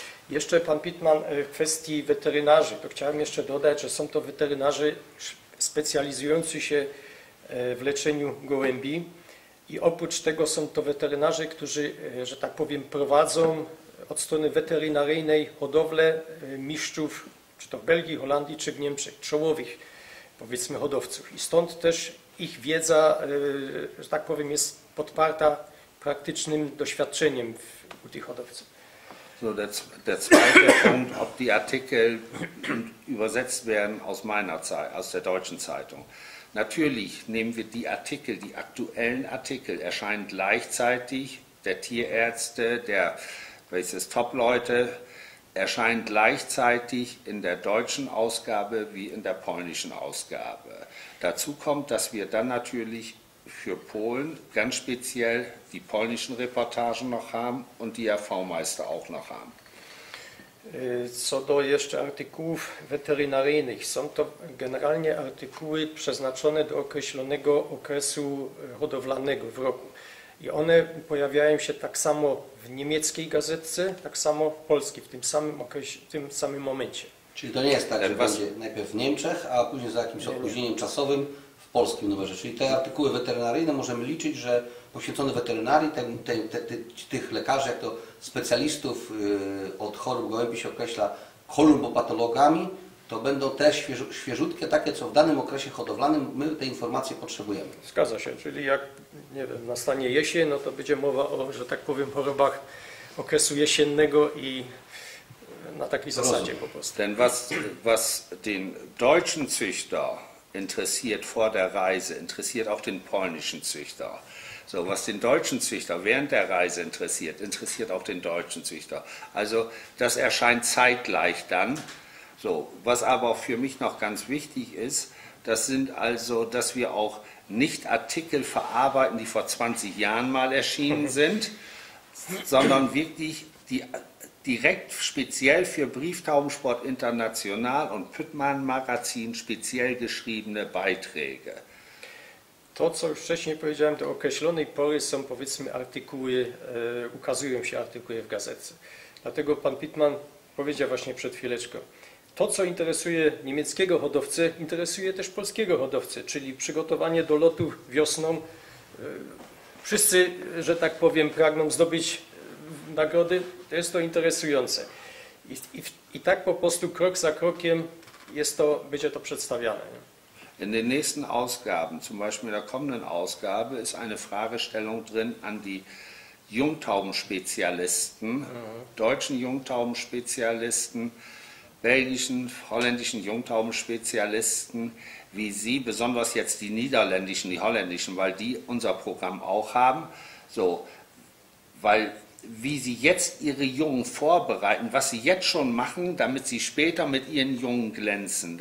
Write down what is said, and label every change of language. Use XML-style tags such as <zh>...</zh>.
<pl>Jeszcze pan Pittman w kwestii weterynarzy, to chciałem jeszcze dodać, że są to weterynarzy specjalizujący się w leczeniu gołębi i oprócz tego są to weterynarze, którzy, że tak powiem, prowadzą od strony weterynaryjnej hodowlę mistrzów, czy to w Belgii, Holandii, czy w Niemczech, czołowych, powiedzmy, hodowców. I stąd też ich wiedza, że tak powiem, jest podparta praktycznym doświadczeniem u tych hodowców.</pl> <de>So, der zweite Punkt, ob die Artikel übersetzt werden aus meiner Zeit, aus der deutschen Zeitung. Natürlich nehmen wir die Artikel, die aktuellen Artikel erscheinen gleichzeitig, der Tierärzte, der Top-Leute erscheinen gleichzeitig in der deutschen Ausgabe wie in der polnischen Ausgabe. Dazu kommt, dass wir dann natürlich für Polen ganz speziell die polnischen Reportagen noch haben und die RV-Meister auch noch haben.</de> <pl>Co do jeszcze artykułów weterynaryjnych, są to generalnie artykuły przeznaczone do określonego okresu hodowlanego w roku. I one pojawiają się tak samo w niemieckiej gazetce, tak samo w polskiej, w tym samym okresie, w tym samym momencie. Czyli to nie jest tak, że będzie najpierw w Niemczech, a później za jakimś opóźnieniem czasowym w polskim numerze. Czyli te artykuły weterynaryjne możemy liczyć, że poświęcone weterynarii, tych lekarzy, jak to specjalistów od chorób gołębi się określa kolumbopatologami, to będą te świeżutkie, takie co w danym okresie hodowlanym my te informacje potrzebujemy. Zgadza się, czyli jak nie wiem, nastanie jesień, no to będzie mowa o, że tak powiem, chorobach okresu jesiennego i na takiej zasadzie po prostu.</pl> <de>Denn was den deutschen Züchter interessiert vor der Reise, interessiert auch den polnischen Züchter. So, was den deutschen Züchter während der Reise interessiert, interessiert auch den deutschen Züchter. Also das erscheint zeitgleich dann. So, was aber auch für mich noch ganz wichtig ist, das sind also, dass wir auch nicht Artikel verarbeiten, die vor 20 Jahren mal erschienen sind, sondern wirklich die direkt speziell für Brieftaubensport International und Püttmann Magazin speziell geschriebene Beiträge.</de> <pl>To, co już wcześniej powiedziałem, do określonej pory są, powiedzmy, artykuły, ukazują się artykuły w gazetce. Dlatego pan Pittman powiedział właśnie przed chwileczką, to, co interesuje niemieckiego hodowcę, interesuje też polskiego hodowcę, czyli przygotowanie do lotu wiosną. Wszyscy, że tak powiem, pragną zdobyć nagrody, to jest to interesujące. I tak po prostu krok za krokiem jest to, będzie to przedstawiane.</pl> <de>In den nächsten Ausgaben, zum Beispiel in der kommenden Ausgabe, ist eine Fragestellung drin an die Jungtaubenspezialisten, deutschen Jungtaubenspezialisten, belgischen, holländischen Jungtaubenspezialisten, wie sie, besonders jetzt die niederländischen, die holländischen, weil die unser Programm auch haben, so, weil wie sie jetzt ihre Jungen vorbereiten, was sie jetzt schon machen, damit sie später mit ihren Jungen glänzen.</de>